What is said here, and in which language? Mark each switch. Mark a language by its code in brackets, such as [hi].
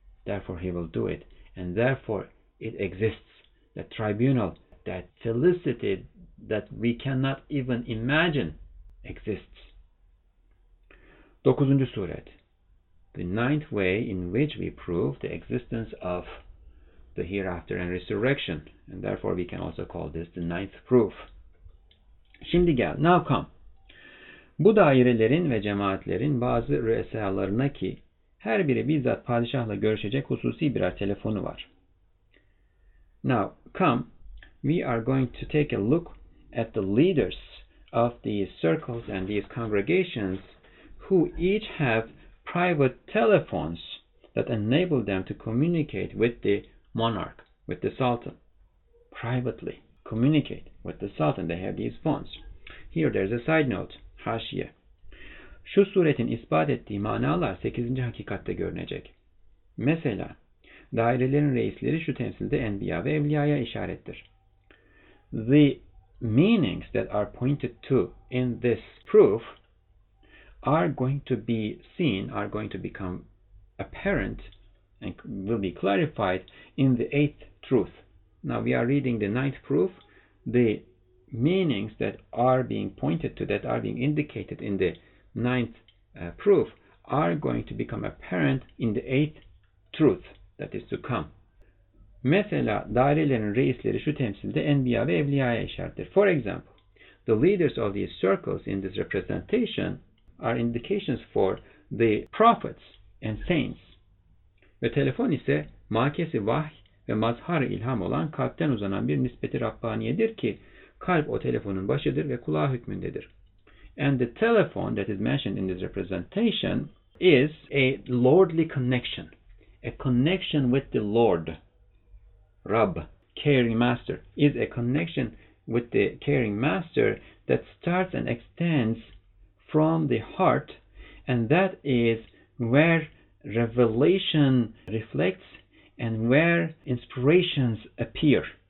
[en] Therefore, he will do it. And therefore, it exists. That tribunal, that felicity that we cannot even imagine exists. 9. Suret. The 9th way in which we prove the existence of the hereafter and resurrection, and therefore we can also call this the 9th proof. [tr] Şimdi gel, [en] now come. [tr] Bu dairelerin ve cemaatlerin bazı rüesalarına ki her biri bizzat padişahla görüşecek hususi birer telefonu var. [en] Now come, we are going to take a look at the leaders of these circles and these congregations who each have private telephones that enable them to communicate with the monarch, with the sultan, privately communicate with the sultan. They have these phones. Here there's a side note, haşiye. [tr] Şu suretin ispat ettiği manalar 8. hakikatte görünecek. Mesela, dairelerin reisleri şu temsilde enbiya ve evliyaya işarettir. [en] The meanings that are pointed to in this proof are going to be seen, are going to become apparent and will be clarified in the 8th truth. Now we are reading the 9th proof. The meanings that are being pointed to, that are being indicated in the 9th proof, are going to become apparent in the 8th truth that is to come. [tr] Mesela, dairelerin reisleri şu temsilde enbiya ve evliyaya işarettir. [en] For example, the leaders of these circles in this representation are indications for the prophets and saints. [tr] Ve telefon ise makesi vahy ve mazhar-ı ilham olan kalpten uzanan bir nispeti Rabbaniyedir ki kalp o telefonun başıdır ve kulağı hükmündedir. [en] And the telephone that is mentioned in this representation is a lordly connection, a connection with the Lord. Rabb, caring master, is a connection with the caring master that starts and extends from the heart, and that is where revelation reflects and where inspirations appear.